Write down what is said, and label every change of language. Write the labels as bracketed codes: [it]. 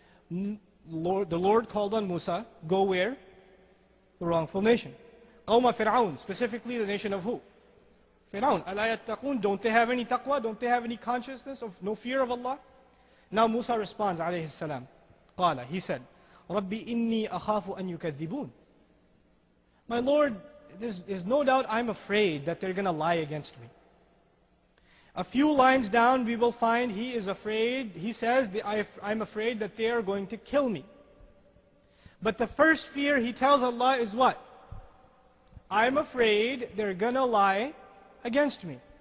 [en] The Lord called on Musa, go where? The wrongful nation. [ar] قَوْمَ فِرْعَوْنَ. [en] Specifically the nation of who? [ar] Fir'aun. أَلَا يَتَّقُونَ. [en] Don't they have any taqwa? Don't they have any consciousness of no fear of Allah? Now Musa responds, [ar] عليه السلام. قَالَ. [en] He said, [ar] رَبِّ إِنِّي أَخَافُ أَن يُكَذِّبُونَ. [en] My Lord, there's no doubt I'm afraid that they're going to lie against me. A few lines down, we will find he is afraid. He says, I'm afraid that they are going to kill me. But the first fear he tells Allah is what? I'm afraid they're going to lie against me.